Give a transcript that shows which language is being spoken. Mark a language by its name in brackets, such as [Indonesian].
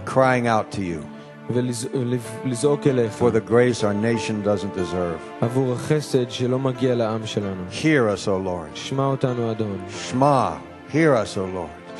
[English] Crying out to you. [Hebrew] לזעוק אליך. [English] For the grace our nation doesn't deserve. [Hebrew] עבור החסד שלא מגיע לעם שלנו. [English] Hear us, O Lord. [Hebrew] שמע אותנו, אדון. שמע, [English] hear us, O Lord.